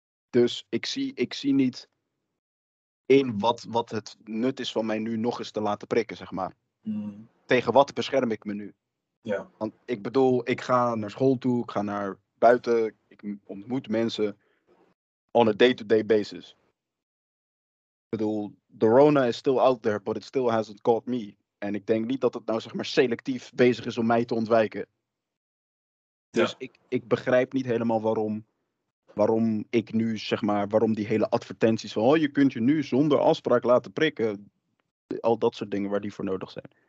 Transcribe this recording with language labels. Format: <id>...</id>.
<nl>Dus ik zie niet in wat het nut is van mij nu nog eens te laten prikken, zeg maar. Mm. Tegen wat bescherm ik me nu? Ja. Want ik bedoel, ik ga naar school toe, ik ga naar buiten, ik ontmoet mensen</nl> <en>on a day-to-day basis.</en> <nl>Ik bedoel,</nl> <en>the Rona is still out there, but it still hasn't caught me.</en> <nl>En ik denk niet dat het nou, zeg maar, selectief bezig is om mij te ontwijken. Dus ik begrijp niet helemaal waarom ik nu, zeg maar, waarom die hele advertenties van, oh, je kunt je nu zonder afspraak laten prikken, al dat soort dingen waar die voor nodig zijn.</nl>